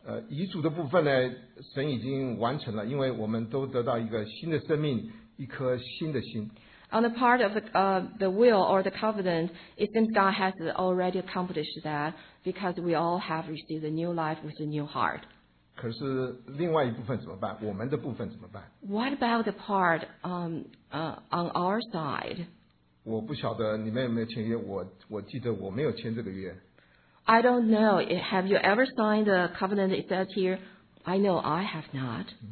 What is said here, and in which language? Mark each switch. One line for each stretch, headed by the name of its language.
Chinese: 遗嘱的部分呢，神已经完成了，因为我们都得到一个新的生命，一颗新的心。
English: On the part of the will or the covenant, it seems God has already accomplished that because we all have received a new life with a new heart.
Chinese: 可是另外一部分怎么办？我们的部分怎么办？
English: What about the part on our side?
Chinese: 我不晓得你们有没有签约，我记得我没有签这个约。
English: I don't know. Have you ever signed the covenant? It says here, I know I have not.